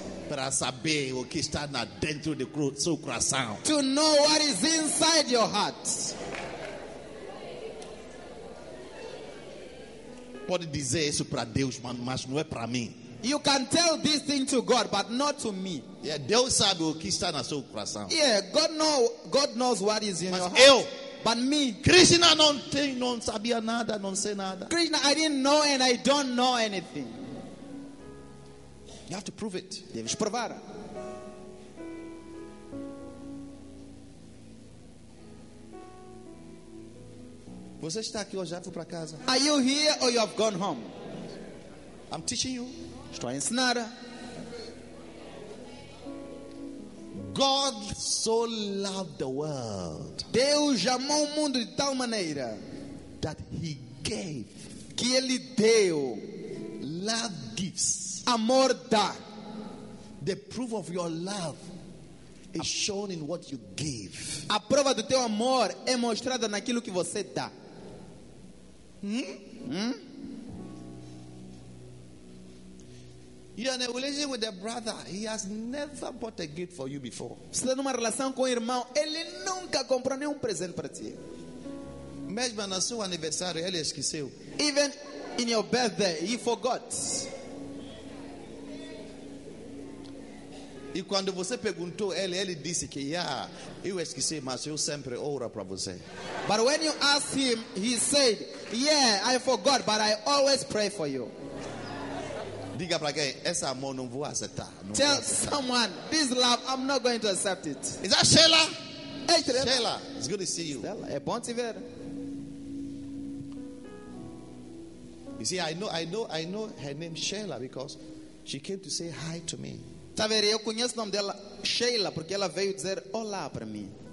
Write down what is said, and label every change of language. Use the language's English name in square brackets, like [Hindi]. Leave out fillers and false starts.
[Portuguese] Para saber o que está na dentro de seu coração. [English] To know what is inside your heart. [Portuguese] Pode dizer isso para Deus, mas não é para mim. [English] You can tell this thing to God, but not to me. [Portuguese] Yeah, Deus sabe o que está na seu coração. [English] Yeah, God knows what is in [Portuguese] Mas [English] your heart. [Portuguese] Eu, [English] but me, [Portuguese] Krishna não sabia nada, não sei nada. [English] Krishna, I didn't know and I don't know anything. You have to prove it. [Portuguese] Deves provar. Você está aqui ou já foi para casa? [English] Are you here or you have gone home? I'm teaching you. [Portuguese] Estou a ensinar. [English] God so loved the world. [Portuguese] Deus amou o mundo de tal maneira [English] that he gave. [Portuguese] Que ele deu. [English] Love gives. [Portuguese] Amor dá. [English] The proof of your love is shown in what you give. [Portuguese] A prova do teu amor é mostrada naquilo que você dá. [English] You are in a relationship with a brother. He has never bought a gift for you before. [Portuguese] Você está numa relação com um irmão. Ele nunca comprou nenhum presente para ti. Mesmo na seu aniversário, ele esqueceu. [English] Even in your birthday, he forgot. [Portuguese] E quando você perguntou, ele disse que eu esqueci, mas eu sempre oro para você. [English] But when you asked him, he said, yeah, I forgot, but I always pray for you. [Portuguese] Diga para quem, esse amor não vou aceitar. [English] Tell someone, this love, I'm not going to accept it. Is that Sheila? Hey, Sheila. Sheila, it's good to see you. [Portuguese] Stella, é bom te ver. [English] You see, I know her name Sheila because she came to say hi to me. [Portuguese] Tá vendo? Eu conheço o nome dela, Sheila, porque ela veio dizer olá para mim.